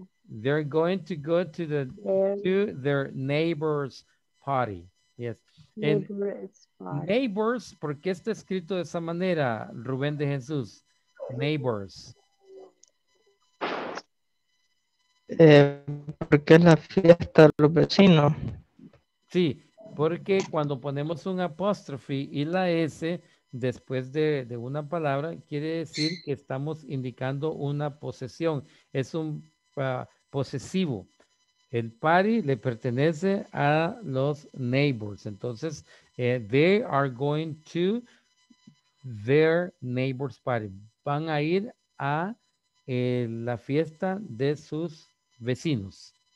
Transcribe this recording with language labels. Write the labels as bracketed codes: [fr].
[en] They're going to go to the to their neighbor's party. Yes. Neighbors, [es] ¿por qué está escrito de esa manera, Rubén de Jesús? [en] Neighbors. [es] Porque es la fiesta de los vecinos. Sí, porque cuando ponemos un apóstrofe y la S después de una palabra, quiere decir que estamos indicando una posesión. Es un posesivo. El party le pertenece a los neighbors. Entonces, [en] they are going to their neighbor's party. [es] Van a ir a la fiesta de sus vecinos.